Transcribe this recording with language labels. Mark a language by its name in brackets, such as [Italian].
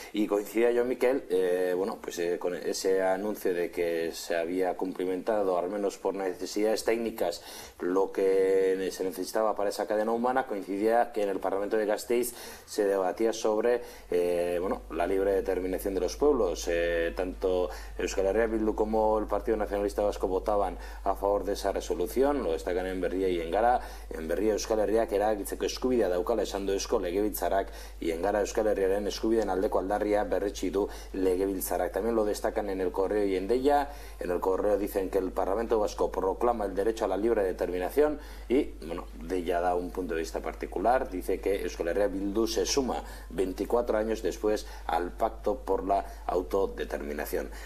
[Spanish] Y coincidía yo, Miquel, con ese anuncio de que se había cumplimentado, al menos por necesidades técnicas, lo que se necesitaba para esa cadena humana, coincidía que en el Parlamento de Gasteiz se debatía sobre la libre determinación de los pueblos. Tanto Euskal Herria Bildu como el Partido Nacional Nacionalista Vasco votaban a favor de esa resolución, lo destacan en Berria y en Gara. [Basque] En Berria, Euskal Herriak erabakitzeko eskubidea daukala esando esko legebiltzarak, [Spanish] y en Gara, [Basque] Euskal Herriaren eskubideen aldeko aldarria berretsi du legebiltzarak. [Spanish] También lo destacan en el Correo y en Deia. En el Correo dicen que el Parlamento Vasco proclama el derecho a la libre determinación, y bueno, Deia da un punto de vista particular, dice que Euskal Herria Bildu se suma 24 años después al pacto por la autodeterminación.